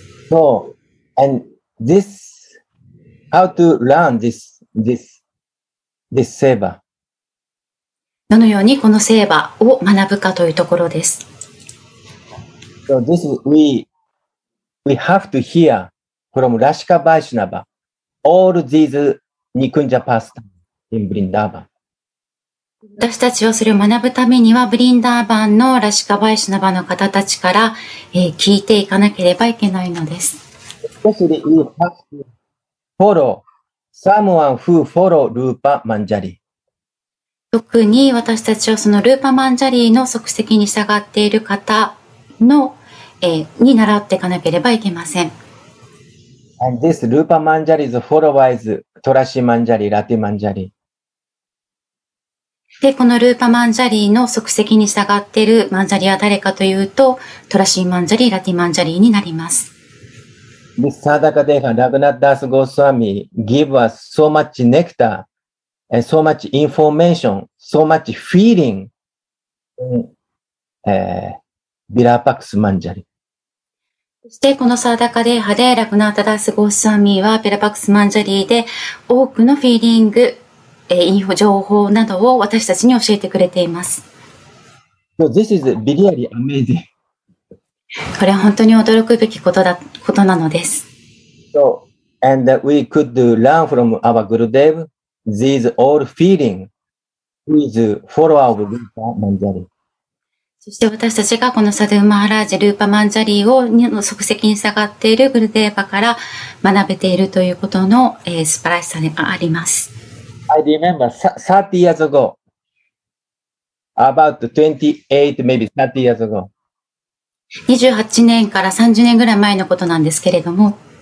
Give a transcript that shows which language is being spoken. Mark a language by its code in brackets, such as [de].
[en] So, and this, how to learn this seva. [ja] どのようにこのセーバを学ぶかというところです。 [en] So this is, we have to hear from Rashika Vaishnava all these Nikunja pastimes in Vrindavan. [ja] 私たちはそれを学ぶためにはブリンダーバンのラシカバイシナバの方たちから、聞いていかなければいけないのです。 [en] Especially we have to follow someone who follow Rupa Manjari. [ja] 特に私たちはそのルーパマンジャリーの足跡に従っている方のに習っていかなければいけません。 [en] And this Rupa Manjari's followers, Trashi Manjari, Rati Manjari. [ja] で、このルーパマンジャリーの足跡に従っているマンジャリは誰かというと、Trashi Manjari, Rati Manjari になります。 [en] This Sadaka Deha, Raghunath Das Goswami give us so much nectar, and so much information, so much feeling. [ja] ビラパクスマンジャリ。そしてこのサーダカデーハでラグナータダスゴースワミはビラパクスマンジャリで多くのフィーリング、インフォ情報などを私たちに教えてくれています。 [en] So this is really amazing. [ja] これは本当に驚くべきことなのです。 [en] So, and we could learn from our Gurudev these all feeling who is follower of Rupa Manjari. [ja] そして私たちがこのサドゥマハラージ、ルーパマンジャリーを足跡に従っているグルデーバから学べているということの、素晴らしさでもあります。 [en] I remember 30 years ago, about 28, maybe 30 years ago. [ja] 28年から30年ぐらい前のことなんですけれども。